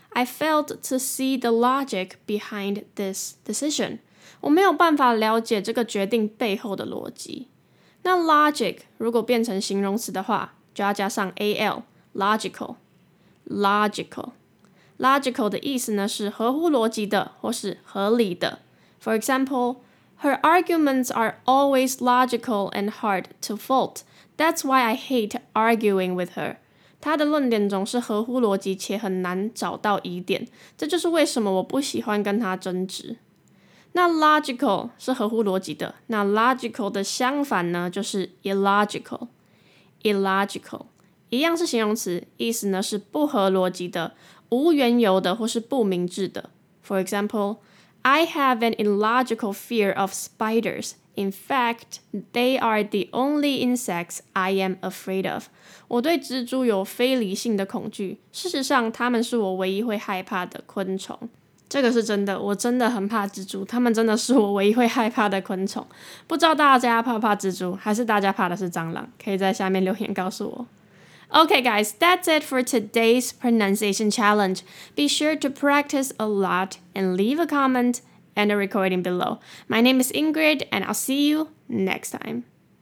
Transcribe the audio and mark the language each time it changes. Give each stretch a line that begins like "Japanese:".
English: I failed to see the logic behind this decision.
Chinese: 我没有办法了解这个决定背后的逻辑。那 logic 如果变成形容词的话，就要加上 al, logical, logical. Logical 的意思呢是合乎逻辑的或是合理的。
English: For example, her arguments are always logical and hard to fault. That's why I hate arguing with her.
Chinese: 她的论点总是合乎逻辑且很难找到疑点。这就是为什么我不喜欢跟她争执。那 logical 是合乎逻辑的，那 logical 的相反呢，就是 illogical。 illogical 一样是形容词，意思呢是不合逻辑的、无缘由的或是不明智的。 For example, I have an illogical fear of spiders. In fact, they are the only insects I am afraid of. 我对蜘蛛有非理性的恐惧，事实上，它们是我唯一会害怕的昆虫。这个是真的，我真的很怕蜘蛛，它们真的是我唯一会害怕的昆虫。不知道大家怕不怕蜘蛛，还是大家怕的是蟑螂，可以在下面留言告诉我。
English: Okay guys, that's it for today's pronunciation challenge. Be sure to practice a lot and leave a comment and a recording below. My name is Ingrid and I'll see you next time.